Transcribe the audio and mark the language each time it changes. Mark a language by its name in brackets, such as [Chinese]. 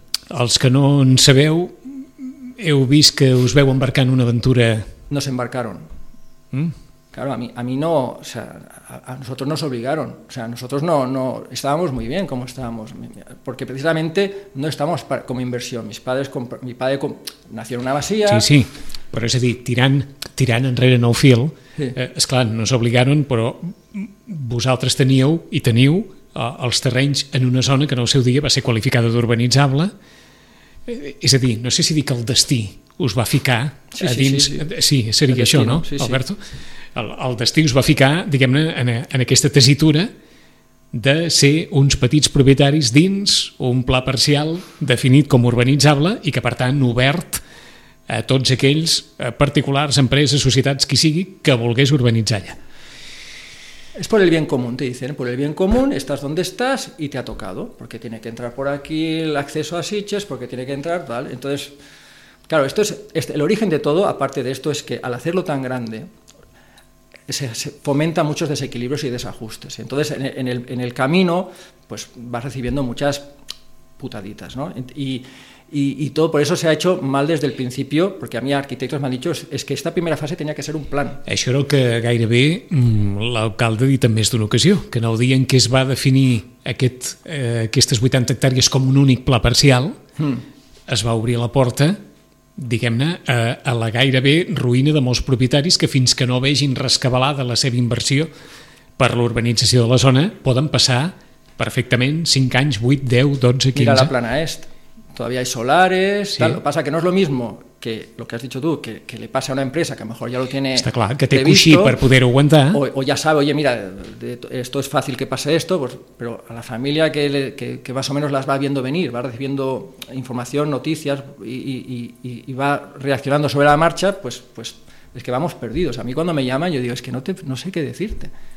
[Catalan] Els que no en sabeu, heu vist que us veu embarcar en una aventura... [Spanish] No s'embarcaron. Claro, a mí no... O sea, a nosotros nos obligaron. O sea, nosotros no estábamos muy bien como estábamos. Porque precisamente no estábamos como inversión. Mi padre nació en una masía... Sí, sí. [Catalan] Però és a dir, tirant enrere en el fil, esclar, no us obligaron, però vosaltres teníeu i teniu els terrenys en una zona que en el seu dia va ser qualificada d'urbanitzable. És a dir, no sé si dic el destí us va ficar sí, a dins... Sí, seria destí, això, no, sí, Alberto? Sí. El destí us va ficar, diguem-ne, en aquesta tesitura de ser uns petits propietaris dins un pla parcial definit com urbanitzable i que, per tant, obert a tots aquells particulars, empreses, societats, qui sigui, que volgués urbanitzar allà. [Spanish] Es por el bien común, te dicen, por el bien común estás donde estás y te ha tocado, porque tiene que entrar por aquí el acceso a Sitges, porque tiene que entrar, tal. Entonces, claro, esto es el origen de todo, aparte de esto, es que al hacerlo tan grande, se fomenta muchos desequilibrios y desajustes. Entonces, en el camino, pues vas recibiendo muchas putaditas, ¿no? Y todo por eso se ha hecho mal desde el principio, porque a mí arquitectos me han dicho es que esta primera fase tenía que ser un plan. [Catalan] Això era el que gairebé l'alcalde ha dit en més d'una ocasió, que en el dia en què es va definir aquestes 80 hectàrees com un únic pla parcial, es va obrir la porta, diguem-ne, a la gairebé ruïna de molts propietaris que fins que no vegin rescabalada la seva inversió per l'urbanització de la zona, poden passar perfectament 5 anys, 8, 10, 12, 15... Mira la plana est. [Spanish] Todavía hay solares, sí. Tal, lo que pasa que no es lo mismo que lo que has dicho tú, que le pase a una empresa que a lo mejor ya lo tiene. Está claro, que te cuxi para poder aguantar. O ya sabe, oye, mira, esto es fácil que pase esto, pues, pero a la familia que más o menos las va viendo venir, va recibiendo información, noticias y va reaccionando sobre la marcha, pues es que vamos perdidos. A mí cuando me llaman yo digo, es que no sé qué decirte.